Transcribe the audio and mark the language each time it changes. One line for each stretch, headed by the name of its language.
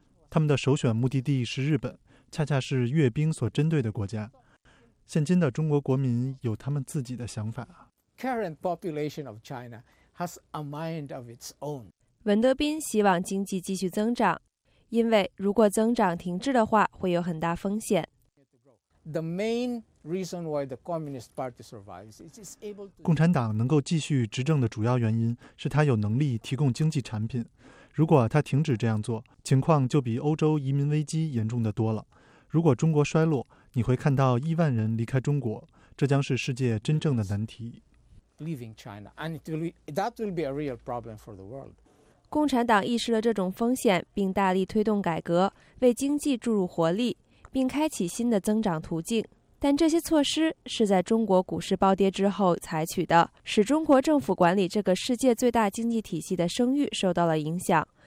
Chinese: 他们的首选目的地是日本，恰恰是阅兵所针对的国家。现今的中国国民有他们自己的想法。
English: Current population of China has a mind of its own.
Chinese: 文德斌希望经济继续增长，因为如果增长停滞的话，会有很大风险。
English: The main reason why the Communist Party survives is it's able to.
Chinese: 共产党能够继续执政的主要原因是他有能力提供经济产品。如果他停止这样做，情况就比欧洲移民危机严重的多了。如果中国衰落，你会看到10万人离开中国，这将是世界真正的难题。
English: Leaving China, and that will be a real problem for the world.
Chinese: 共产党意识了这种风险，并大力推动改革，为经济注入活力，并开启新的增长途径。但这些措施是在中国股市暴跌之后采取的，使中国政府管理这个世界最大经济体系的声誉受到了影响。